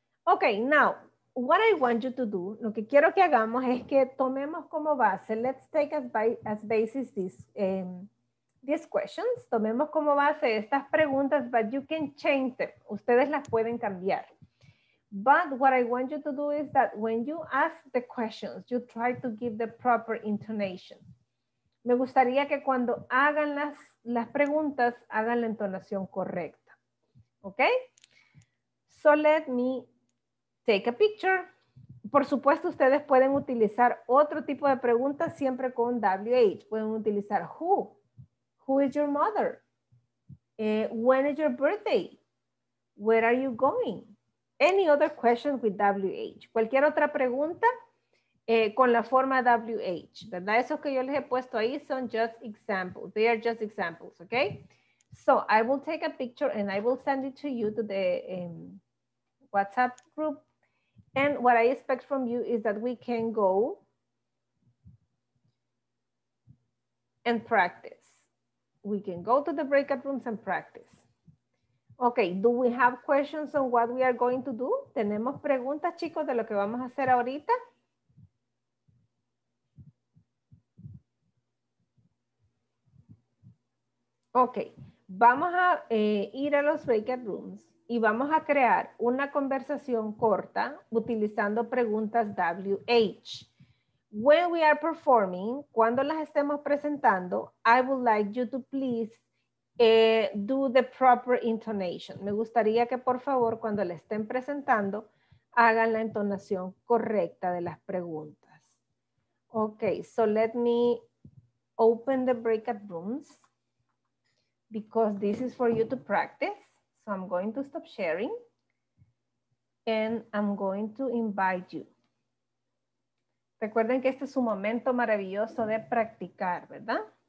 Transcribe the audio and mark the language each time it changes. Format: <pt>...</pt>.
<en>Okay, now, what I want you to do,</en> <es>lo que quiero que hagamos es que tomemos como base,</es> <en>let's take as basis these questions,</en> <es>tomemos como base estas preguntas,</es> <en>but you can change them,</en> <es>ustedes las pueden cambiar.</es> <en>But what I want you to do is that when you ask the questions, you try to give the proper intonation.</en> <es>Me gustaría que cuando hagan las preguntas, hagan la entonación correcta, okay?</es> <en>So let me take a picture.</en> <es>Por supuesto, ustedes pueden utilizar otro tipo de preguntas siempre con WH. Pueden utilizar who.</es> <en>Who is your mother? When is your birthday? Where are you going? Any other question with WH.</en> <es>Cualquier otra pregunta con la forma WH, ¿verdad? Esos que yo les he puesto ahí son</es> <en>just examples. They are just examples, okay? So I will take a picture and I will send it to you to the WhatsApp group. And what I expect from you is that we can go and practice. We can go to the breakout rooms and practice. Okay, do we have questions on what we are going to do?</en> <es>¿Tenemos preguntas, chicos, de lo que vamos a hacer ahorita? Okay, vamos a ir a los breakout rooms y vamos a crear una conversación corta utilizando preguntas WH.</es> <en>When we are performing,</en> <es>cuando las estemos presentando,</es> <en>I would like you to please do the proper intonation.</en> <es>Me gustaría que por favor cuando la estén presentando hagan la entonación correcta de las preguntas.</es> <en>Okay, so let me open the breakout rooms because this is for you to practice. So I'm going to stop sharing and I'm going to invite you.</en> <es>Recuerden que este es un momento maravilloso de practicar, ¿verdad?</es>